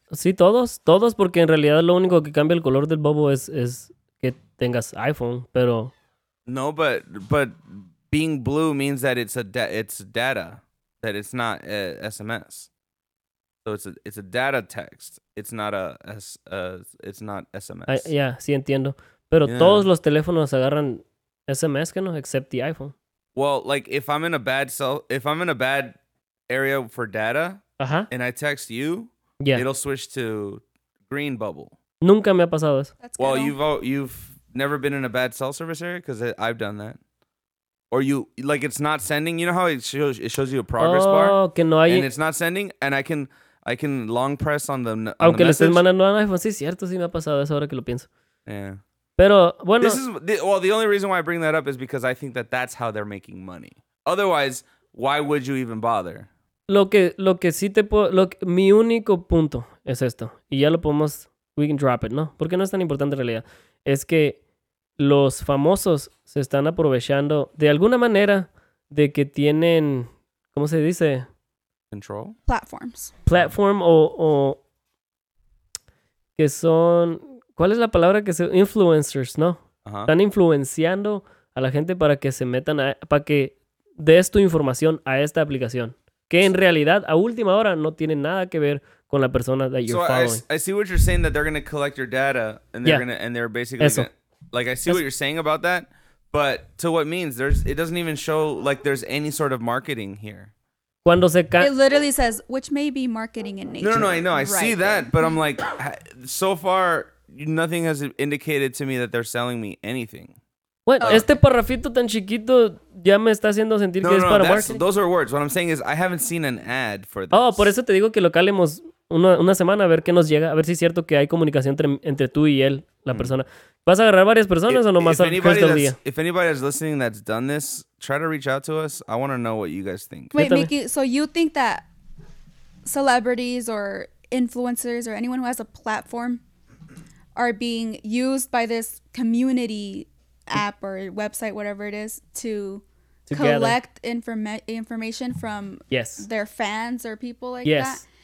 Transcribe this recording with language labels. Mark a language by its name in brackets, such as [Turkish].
[Spanish] Sí, todos, porque en realidad lo único que cambia el color del bobo es que tengas iPhone, pero... [English] No, but being blue means that it's data, that it's not SMS. So it's a data text, it's not SMS. [Spanish] Sí, entiendo. Pero yeah. Todos los teléfonos agarran SMS, ¿no? [English] Except the iPhone. Well, like if I'm in a bad area for data, uh-huh. and I text you, yeah. it'll switch to green bubble. [Spanish] Nunca me ha pasado eso. [English] That's well, you've never been in a bad cell service area because I've done that. or you like it's not sending. You know how it shows you a progress bar? [Spanish] Que no hay... [English] And it's not sending, and I can long press on the message. [Spanish] Aunque le estés mandando un iPhone, sí, cierto, sí me ha pasado eso ahora que lo pienso. [English] Yeah. [Spanish] Pero bueno. [English] The only reason why I bring that up is because I think that's how they're making money. Otherwise, why would you even bother? [Spanish] Lo que sí te puedo, lo que, mi único punto es esto, y ya lo podemos, [English] we can drop it, [Spanish] ¿no? Porque no es tan importante en realidad. Es que los famosos se están aprovechando de alguna manera de que tienen, ¿cómo se dice? Control. [English] Platforms. [Spanish] Platform o que son, ¿cuál es la palabra que se, influencers, ¿no? [English] Uh-huh. [Spanish] Están influenciando a la gente para que se metan, para que des tu información a esta aplicación. Que en realidad, a última hora, no tiene nada que ver con la persona [English] that you're following. I see what you're saying, that they're going to collect your data, and they're what you're saying about that, but to what means, it doesn't even show like there's any sort of marketing here. [Spanish] Cuando se [English] it literally says, which may be marketing in nature. No, I know, I see that, but I'm like, so far, nothing has indicated to me that they're selling me anything. What? Okay. [Spanish] Este parrafito tan chiquito ya me está haciendo sentir que es para marketing. [English] Those are words. What I'm saying is I haven't seen an ad for this. [Spanish] Oh, por eso te digo que lo calemos una semana a ver qué nos llega, a ver si es cierto que hay comunicación entre tú y él, la persona. ¿Vas a agarrar varias personas o nomás más del día? [English] If anybody is listening that's done this, try to reach out to us. I want to know what you guys think. Wait, Mickey, so you think that celebrities or influencers or anyone who has a platform are being used by this community app or website, whatever it is, to collect information from their fans or people like that.